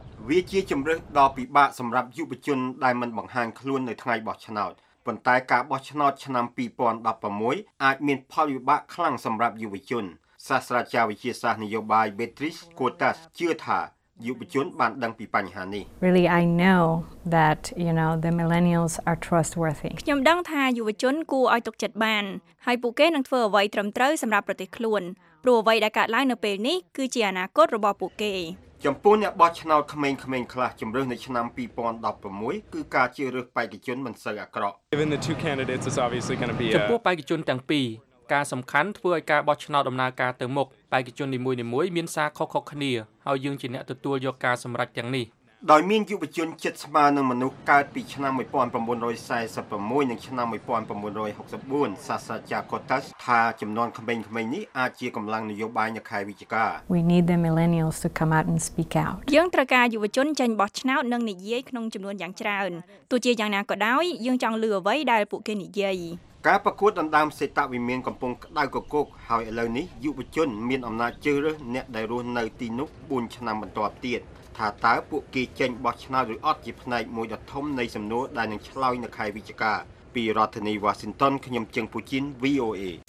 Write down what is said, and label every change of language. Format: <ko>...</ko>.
<km>វាជាជំរើសដ៏ពិបាកសម្រាប់យុវជនដែលមិនបង្ហាញខ្លួននៅថ្ងៃបោះឆ្នោតប៉ុន្តែការបោះឆ្នោតឆ្នាំ2016អាចមានផលវិបាកខ្លាំងសម្រាប់យុវជនសាស្ត្រាចារ្យវិទ្យាសាស្ត្រនយោបាយ Beatrice Cotas ជឿថាយុវជនបានដឹងពីបញ្ហានេះ</km> <en>Really I know that you know the millennials are trustworthy</en> <km>ខ្ញុំដឹងថាយុវជនគួរឲ្យទុកចិត្តបានហើយពួកគេនឹងធ្វើអ្វីត្រឹមត្រូវសម្រាប់ប្រទេសខ្លួនព្រោះអ្វីដែលកើតឡើងនៅពេលនេះគឺជាអនាគតរបស់ពួកគេ ចំពោះអ្នកបោះឆ្នោតក្មេងៗខ្លះជម្រើសនៅឆ្នាំ2016គឺការជ្រើសរើសបេក្ខជនមិនសូវអាក្រក់ ចំពោះបេក្ខជនទាំងពីរការសំខាន់ធ្វើឲ្យការបោះឆ្នោតដំណើរការទៅមុខបេក្ខជននីមួយៗមានសារខុសៗគ្នាហើយយើងជាអ្នកទទួលយកការសម្រេចទាំងនេះ ដោយមានយុវជនចិត្តស្មារនឹងមនុស្សកើតពីឆ្នាំ1946និងឆ្នាំ1964សាស្ត្រាចារ្យ Cotas ថាចំនួនក្មេងៗនេះអាចជាកម្លាំងនយោបាយនៅខែវិច្ឆិកា</km> <en>We need the millennials to come out and speak out</en> <km>យើងត្រូវការយុវជនចេញបោះឆ្នោតនិងនិយាយក្នុងចំនួនយ៉ាងច្រើនទោះជាយ៉ាងណាក៏ដោយយើងចង់លើអ្វីដែលពួកគេនិយាយ ការប្រកួតដណ្ដើមសេតវិមានកំពង់ក្តៅកកុកហើយឥឡូវនេះយុវជនមានអំណាចជ្រើសរើសអ្នកដែលរស់នៅទីនោះ4ឆ្នាំបន្តទៀតថាតើពួកគេចេញបោះឆ្នោតឬអត់ជាផ្នែកមួយដ៏ធំនៃសំណួរដែលនឹងឆ្លើយនៅខែវិច្ឆិកាពីរដ្ឋធានីវ៉ាស៊ីនតោនខ្ញុំជឹងពូជីន VOA</km>